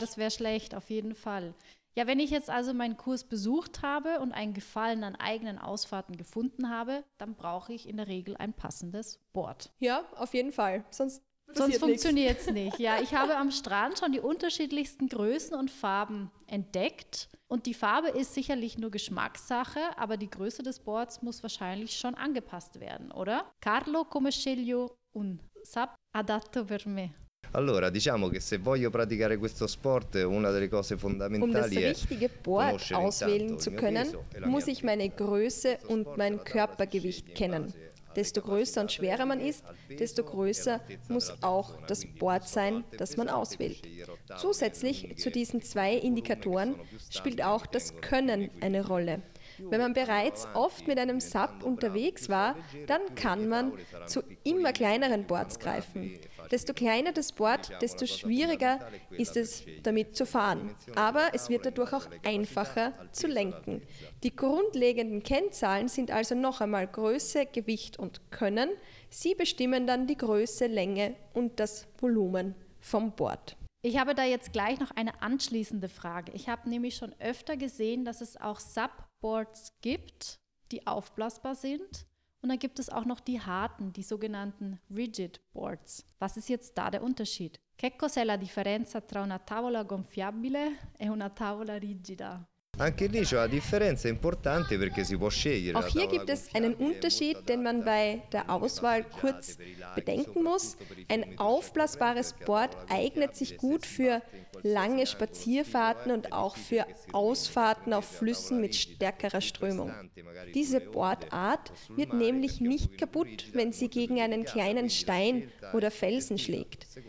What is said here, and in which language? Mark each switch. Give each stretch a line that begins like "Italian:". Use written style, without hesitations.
German: Das wäre schlecht, auf jeden Fall. Ja, wenn ich jetzt also meinen Kurs besucht habe und einen Gefallen an eigenen Ausfahrten gefunden habe, dann brauche ich in der Regel ein passendes Board. Ja, auf jeden Fall. Sonst funktioniert es nicht. Ja, ich habe am Strand schon die unterschiedlichsten Größen und Farben entdeckt. Und die Farbe ist sicherlich nur Geschmackssache, aber die Größe des Boards muss wahrscheinlich schon angepasst werden, oder?
Italian: Carlo, come sceglio un SUP adatto per me? Allora, diciamo che se voglio praticare questo sport, una delle cose fondamentali
German: è richtige Board auswählen zu können, muss ich meine Größe und mein Körpergewicht kennen. Desto größer und schwerer man ist, desto größer muss auch das Board sein, das man auswählt. Zusätzlich zu diesen zwei Indikatoren spielt auch das Können eine Rolle. Wenn man bereits oft mit einem SUP unterwegs war, dann kann man zu immer kleineren Boards greifen. Desto kleiner das Board, desto schwieriger ist es, damit zu fahren. Aber es wird dadurch auch einfacher zu lenken. Die grundlegenden Kennzahlen sind also noch einmal Größe, Gewicht und Können. Sie bestimmen dann die Größe, Länge und das Volumen vom Board. Ich habe da jetzt gleich noch eine anschließende Frage. Ich habe nämlich schon öfter gesehen, dass es auch SUP-Boards gibt, die aufblasbar sind. Und dann gibt es auch noch die harten, die sogenannten Rigid Boards. Was ist jetzt da der Unterschied?
Italian: Che cos'è la differenza tra una tavola gonfiabile e una tavola rigida? Anche lì c'è una differenza importante perché si può scegliere.
German: Auch hier gibt es einen Unterschied, den man bei der Auswahl kurz bedenken muss. Ein aufblasbares Board eignet sich gut für lange Spazierfahrten und auch für Ausfahrten auf Flüssen mit stärkerer Strömung. Diese Boardart wird nämlich nicht kaputt, wenn sie gegen einen kleinen Stein oder Felsen schlägt.